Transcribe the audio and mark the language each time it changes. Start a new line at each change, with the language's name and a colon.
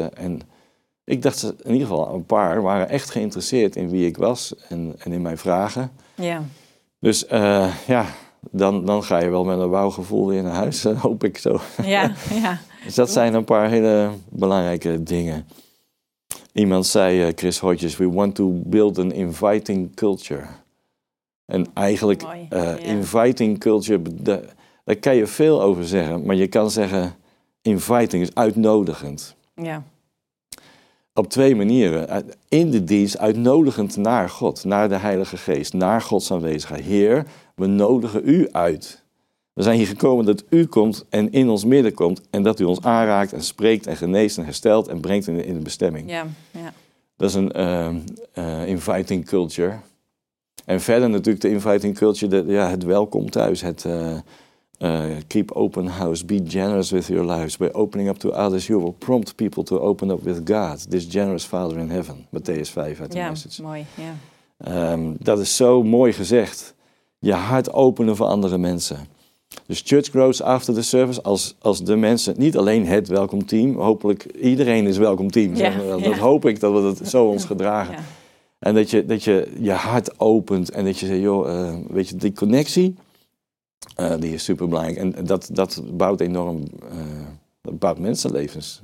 Dutch: En ik dacht, in ieder geval een paar waren echt geïnteresseerd in wie ik was en in mijn vragen. Ja. Dus dan ga je wel met een wouwgevoel weer naar huis, hoop ik zo. Ja, ja. Dus dat zijn een paar hele belangrijke dingen. Iemand zei, Chris Hodges,
English: we want to build an inviting culture.
Dutch: En eigenlijk, inviting culture, daar kan je veel over zeggen. Maar je kan zeggen, inviting is uitnodigend. Ja. Op twee manieren. In de dienst uitnodigend naar God, naar de Heilige Geest, naar Gods aanwezigheid. Heer, we nodigen u uit. We zijn hier gekomen dat u komt en in ons midden komt en dat u ons aanraakt en spreekt en geneest en herstelt en brengt in de bestemming. Ja, ja. Dat is een inviting culture. En verder natuurlijk de inviting culture, het welkom thuis, het...
English: keep open house, be generous with your lives. By opening up to others, you will prompt people to open up with God, this generous Father in heaven.
Dutch: Matthäus 5 uit de Message. Ja, mooi. Ja. Dat is zo mooi gezegd. Je hart openen voor andere mensen. Dus
English: church grows after the service.
Dutch: Als de mensen, niet alleen het welkom team, hopelijk iedereen is welkom team. Ja, zeg maar. Dat hoop ik, dat we dat zo ons gedragen. Ja. En dat je je hart opent en dat je zegt, joh, weet je, die connectie. Die is superbelangrijk. En dat bouwt enorm... Dat bouwt mensenlevens.